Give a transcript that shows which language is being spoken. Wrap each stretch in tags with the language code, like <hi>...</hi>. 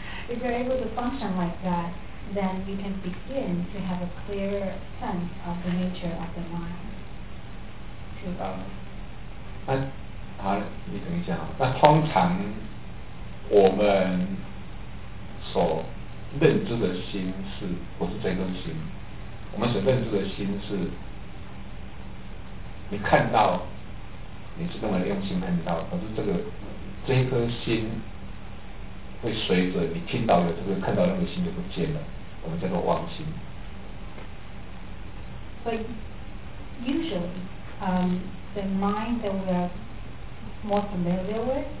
<en>if you're able to function like that, then you can begin to have a clear sense of the nature of the mind.</en> <zh>知道了。好，你等一下啊。那通常我们所认知的心是不是这颗心？我们所认知的心是，你看到，你是那么用心看到，可是这颗心会随着你听到的这个看到的那个心就不见了，我们叫做妄心。</zh> <en>But usually, the mind that we are more familiar with.</en>